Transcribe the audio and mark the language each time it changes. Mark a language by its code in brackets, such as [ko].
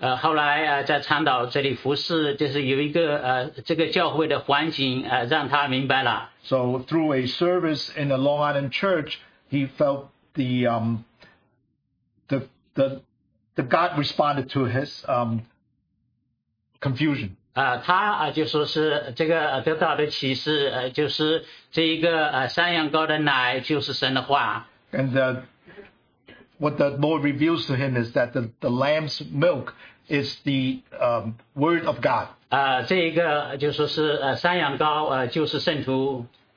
[zh] 后来在长岛这里服侍，就是有一个这个教会的环境让他明白了。 [en] So through a service in a Long Island church, he felt the God responded to his confusion. [zh] 他就说是这个得到的启示就是这一个山羊羔的奶就是神的话。 [en] And what the Lord reveals to him is that the lamb's milk is the word of God. [zh] 这一个就说是山羊羔就是圣徒。